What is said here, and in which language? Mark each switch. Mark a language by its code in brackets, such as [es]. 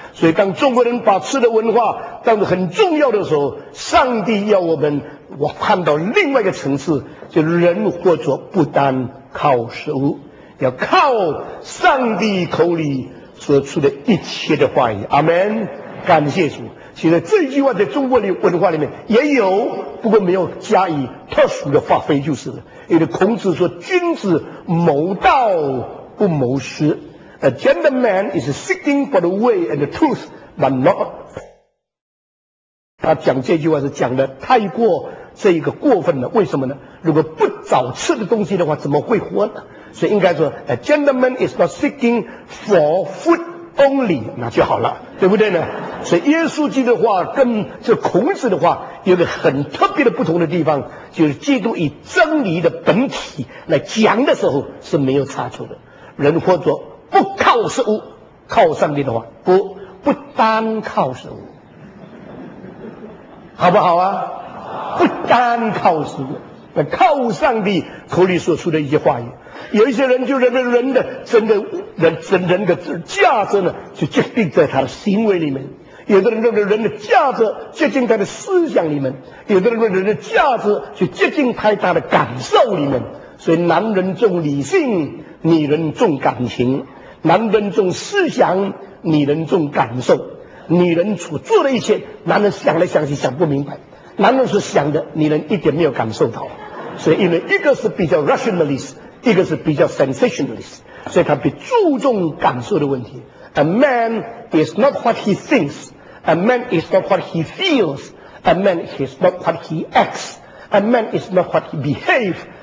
[zh] 所以当中国人把吃的文化当成很重要的时候，上帝要我们我看到另外一个层次，就人活着不单靠食物，要靠上帝口里说出的一切的话语。阿们，感谢主。其实这句话在中国的文化里面也有，不过没有加以特殊的发挥就是了。因为孔子说，君子谋道不谋食。 [en] A gentleman is seeking for the way and the truth, but not. [zh] 他讲这句话是讲的太过这一个过分了。为什么呢？如果不找吃的东西的话，怎么会活呢？所以应该说 [en] ，A gentleman is not seeking for food only， [zh] 那就好了，对不对呢？所以耶稣基督的话跟这孔子的话有个很特别的不同的地方，就是基督以真理的本体来讲的时候是没有差错的。人活着不靠食物，靠上帝的话，不单靠食物，好不好啊？不单靠食物，靠上帝口里所出的一些话语。有一些人就认为人的整个人的价值呢，就决定在他的行为里面；有的人认为人的价值接近他的思想里面；有的人认为人的价值就接近他的感受里面。所以男人重理性，女人重感情；男人重思想，女人重感受。女人所做的一切，男人想来想去想不明白；男人所想的，女人一点没有感受到。所以因为一个是比较 rationalist， 一个是比较 sensationalist， 所以他比注重感受的问题。 [en] A man is not what he thinks. A man is not what he feels. A man is not what he acts. A man is not what he behaves.